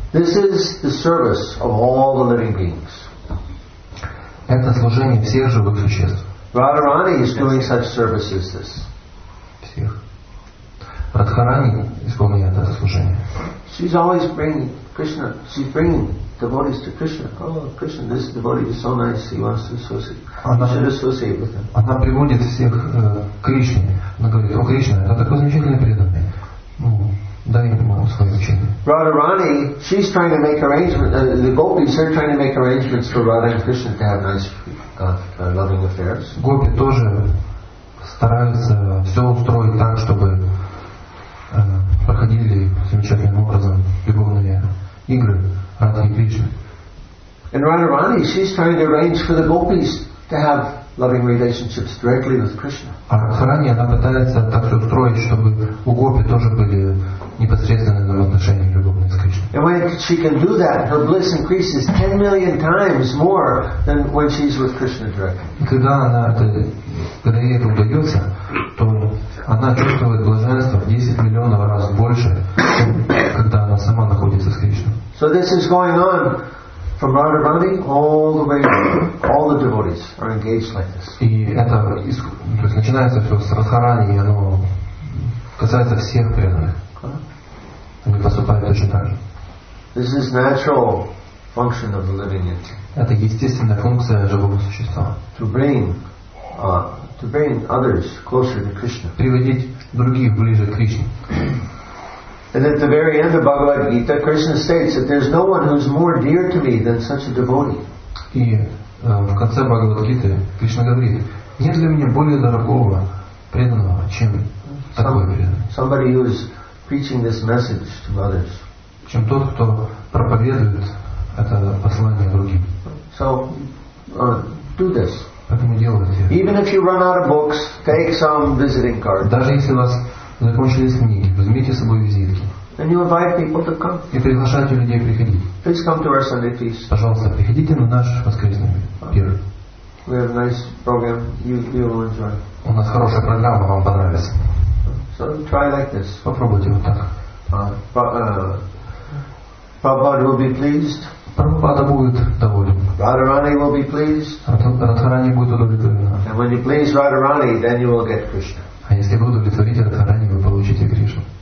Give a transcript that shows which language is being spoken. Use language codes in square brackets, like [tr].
[en] This is the service of all the living beings. [ru] Это служение всех живых существ. [en] Radharani is doing such service as this. [ru] Всех. Радхарани исполняет это служение. [en] She's always bringing Krishna, she's bringing devotees to Krishna. Oh, Krishna, this devotee is so nice, he wants to associate with him. [ru] Она приводит всех к Кришне. Она говорит, о, Кришна, это такой замечательный преданный. Ну, дай ему свое учение. [en] Radharani, she's trying to make arrangements, the gopis are trying to make arrangements for Radha and Krishna to have nice loving affairs. [ru] Гопи тоже стараются все устроить так, чтобы проходили замечательным образом любовные игры Радхи Кришны. [en] And Radharani, she's trying to arrange for the gopis to have loving relationships directly with Krishna. [ru] А Радхарани, она пытается так все устроить, чтобы у гопи тоже были непосредственные отношения любовные с Кришной. [en] And when she can do that, her bliss increases 10 million times more than when she's with Krishna directly. [ru] И когда она это, когда ей это удается, то она чувствует блаженство в 10 миллионов раз больше, чем когда она сама находится с Кришной. [en] So this is going on from Radharani all the way. All the devotees are engaged like this. [ru] И это, то есть начинается все с Радхарани, и оно касается всех преданных. Они поступают точно так же. [en] This is natural function of the living entity. [ru] Это естественная функция живого существа. [en] To bring others closer to Krishna. [ru] Приводить других ближе к Кришне. [en] And at the very end of Bhagavad Gita, Krishna states that there's no one who's more dear to me than such a devotee. [ru] И в конце Бхагавад Гиты Кришна говорит, нет для меня более дорогого преданного, чем такой преданный. [en] Somebody who's preaching this message to others. [ru] Чем тот, кто проповедует это послание другим. [en] So, do this. [ru] Поэтому делайте. [en] Even if you run out of books, take some visiting cards. [ru] Даже если у вас закончились книги, возьмите с собой визитки. [en] And you invite people to come. [ru] И приглашайте людей приходить. [en] Please come to our Sunday feast. [ru] Пожалуйста, приходите на наш воскресный пир. [en] We have a nice program. You will enjoy. [ru] У нас хорошая программа, вам понравится. [en] So try like this. [ru] Попробуйте вот так. [en] Prabhupada will be pleased. [ru] Prabhupada будет доволен. [en] Radharani will be pleased. [ru] Радхарани будет удовлетворена. [en] And when you please Radharani, then you will get Krishna. [ru] А если вы удовлетворите Радхарани, вы получите Кришну.